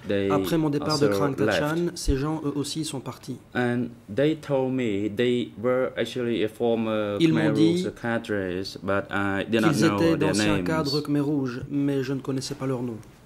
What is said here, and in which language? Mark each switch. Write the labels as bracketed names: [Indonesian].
[French] Après mon départ de Krang Tachan, ces gens eux aussi sont partis. [English] And they told me they were actually a former Khmer Rouge cadres, but I did not know their names. [French] Ils étaient dans un cadre Khmer Rouge, mais je ne connaissais pas leur nom.